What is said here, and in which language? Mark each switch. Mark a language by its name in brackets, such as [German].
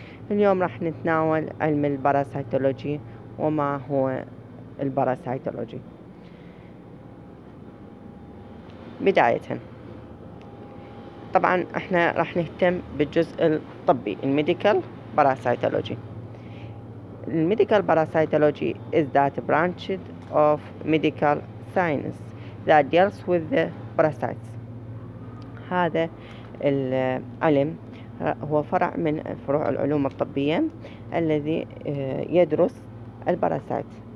[Arabic] اليوم راح نتناول علم الباراسايتولوجي وما هو الباراسايتولوجي. بداية طبعا احنا راح نهتم بالجزء الطبي الميديكال باراسايتولوجي. [English] الميديكال parasitology is that branched of medical science that deals with the parasites. [Arabic] هذا العلم هو فرع من فروع العلوم الطبية الذي يدرس الباراسايت.